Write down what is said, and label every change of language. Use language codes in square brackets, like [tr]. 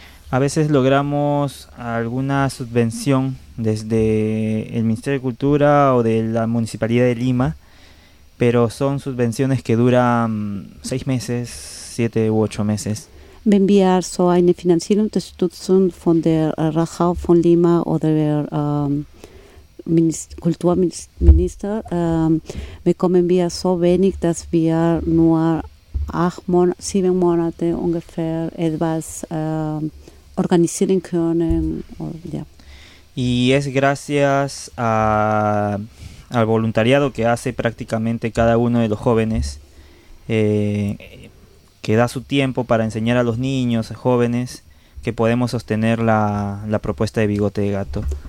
[es] A veces logramos alguna subvención desde el Ministerio de Cultura o de la Municipalidad de Lima, pero son subvenciones que duran 6 meses, 7 u 8 meses. [de] Wenn wir so eine finanzielle Unterstützung von der Rajau von Lima oder der Kulturminister bekommen wir so wenig, dass wir nur 7 Monate ungefähr etwas organisieren können. [es] Y es gracias a al voluntariado que hace prácticamente cada uno de los jóvenes, que da su tiempo para enseñar a los niños, jóvenes, que podemos sostener la propuesta de bigote de gato.